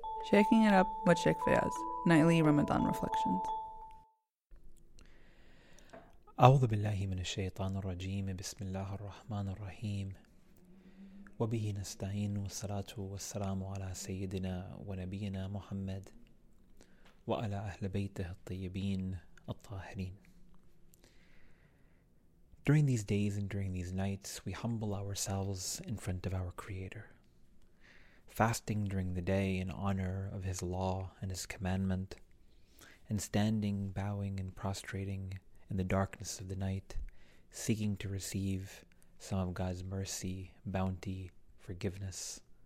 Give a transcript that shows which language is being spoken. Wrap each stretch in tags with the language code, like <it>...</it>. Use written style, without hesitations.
<en>Shaking It Up with Sheikh Faiyaz, Nightly Ramadan Reflections.</en> <ar>أعوذ بالله من الشيطان الرجيم بسم الله الرحمن الرحيم وبه نستعين والصلاة والسلام على سيدنا ونبينا محمد وعلى أهل بيته الطيبين الطاهرين.</ar> <en>During these days and during these nights, we humble ourselves in front of our Creator, fasting during the day in honor of His law and His commandment, and standing, bowing, and prostrating in the darkness of the night, seeking to receive some of God's mercy, bounty, forgiveness.</en>